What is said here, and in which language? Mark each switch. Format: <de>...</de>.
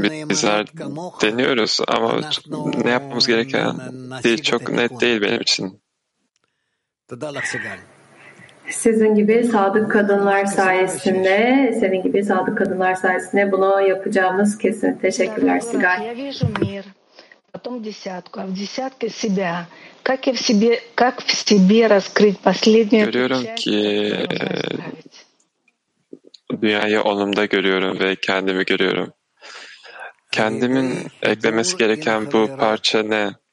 <tr>Bizler deniyoruz ama ne yapmamız gereken değil, çok net değil benim için. Sizin gibi sadık kadınlar sayesinde, senin gibi sadık kadınlar sayesinde bunu yapacağımız kesin. Teşekkürler Sigal.</tr> <ru>Потом десятку, а в десятке себя. Как и в себе, как в себе раскрыть последнюю часть?</ru> <tr>Görüyorum ki dünyayı onumda görüyorum ve kendimi görüyorum. Kendimin eklemesi gereken bu parça ne?</tr>